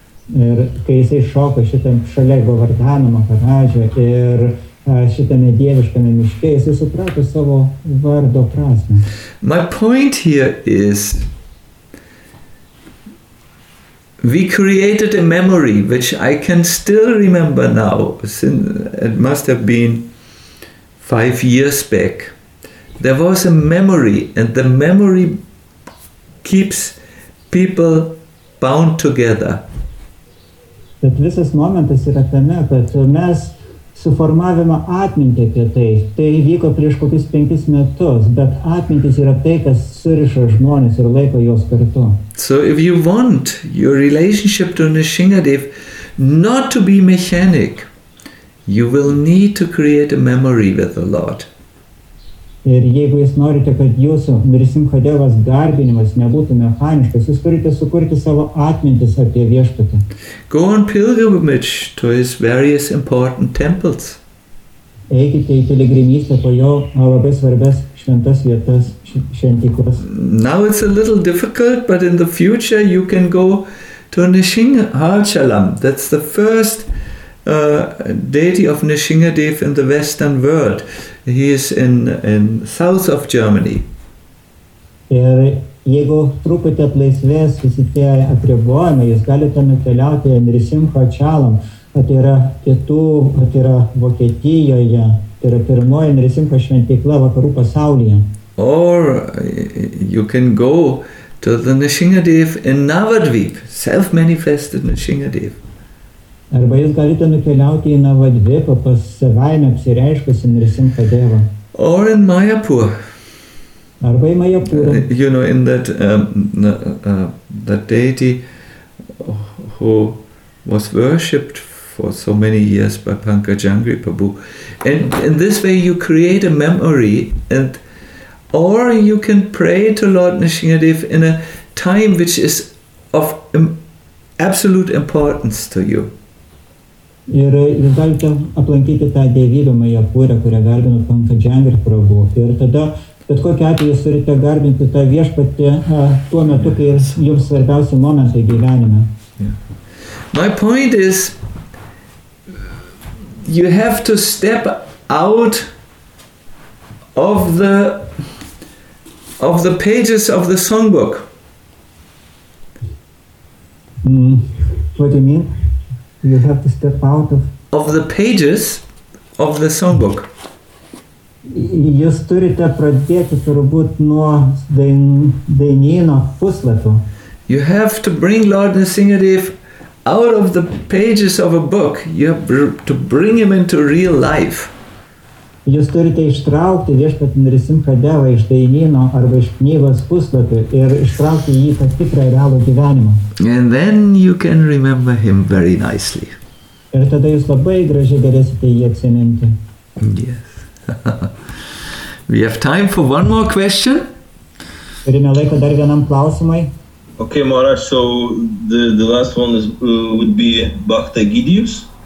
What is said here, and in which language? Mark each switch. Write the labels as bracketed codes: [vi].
[lt] Ir kai jisai šoko šitam šalia Govardhano Maharadžio ir šitame dieviškame miške, jisai suprato savo vardo prasmę. [en] My point here is, we created a memory which I can still remember now, since it must have been 5 years back. There was a memory, and the memory keeps people bound together. [lt] Bet visas momentas yra tame, kad mes suformavimą atmintį apie tai. Tai vyko prieš kokius 5 metus, bet atmintis yra tai, kas suriša žmonės ir laiko jos kartu. [en] So if you want your relationship to Nrisingadev not to be mechanic, you will need to create a memory with the Lord. [lt] Ir jeigu jūs norite, kad jūsų Nrisimhadevas garbinimas nebūtų mechaniškas, jūs turite sukurti savo atmintis apie viešpatį. [en] Go on pilgrimage to his various important temples. [lt] Eikite į piligrimystę po jo labai svarbias šventas vietas, šventyklas. [en] Now it's a little difficult, but in the future you can go to Nrisimhachalam. That's the first deity of Nrisimhadev in the Western world. He is in south of Germany. [lt] Ir jeigu truputį atlaisvės visi tie apribojimai, jūs galite nukeliauti Nrisimhachalam, tai yra Vokietijoje, tai yra pirmoji Nrisimha šventykla vakarų pasaulyje. [en] Or you can go to the Nrisimhadev in Navadvip, self-manifested Nrisimhadev. [lt] Arba jūs galite nukeliauti į Navadvipą pas savaime apsireiškusį Nrisimhadevą. [en] Or in Mayapur. [lt] Arba į Mayapur. [en] You know, in that that deity who was worshipped for so many years by Pankajangri Prabhu. And in this way you create a memory, and or you can pray to Lord Nrisimhadev in a time which is of absolute importance to you. [lt] Ir jūs galite aplankyti tą dievybę Majapūrę, kurią garbino Pankajangri Prabhu. Ir tada, bet kokiu atveju jūs turite garbinti tą viešpatį tuo metu, kai jums svarbiausi momentai gyvenime. [en] Yeah. My point is, you have to step out of the pages of the songbook. What do you mean? You have to step out of the pages of the songbook. [lt] Jūs turite pradėti turbūt nuo dainyno puslapio. [en] You have to bring Lord Nrisimhadev out of the pages of a book, you have to bring him into real life. [lt] Jūs turite ištraukti viešpatį Nrisimhadevą iš dainyno arba iš knygos puslapio ir ištraukti jį tą tikrą realų gyvenimą. [en] And then you can remember him very nicely. [lt] Ir tada jūs labai gražiai galėsite jį atsiminti. [en] Yes. We have time for one more question. [lt] Turime laiko dar vienam klausimui. [en] Okay, Maharaj, so the last one is would be Bhakta Egidijus.